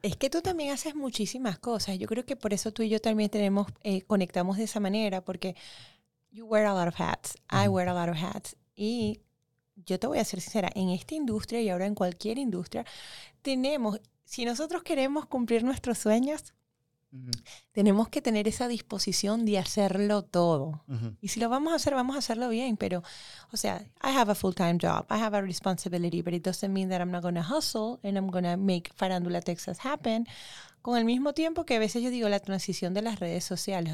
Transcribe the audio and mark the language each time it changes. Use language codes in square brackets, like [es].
[es] Es que tú también haces muchísimas cosas. Yo creo que por eso tú y yo también tenemos, conectamos de esa manera, porque [en] you wear a lot of hats, uh-huh. I wear a lot of hats. [es] Y yo te voy a ser sincera, en esta industria y ahora en cualquier industria, tenemos, si nosotros queremos cumplir nuestros sueños, uh-huh. tenemos que tener esa disposición de hacerlo todo. Uh-huh. Y si lo vamos a hacerlo bien, pero, o sea, [en] I have a full-time job, I have a responsibility, but it doesn't mean that I'm not going to hustle and I'm going to make Farandula Texas happen. [es] Con el mismo tiempo que a veces yo digo la transición de las redes sociales.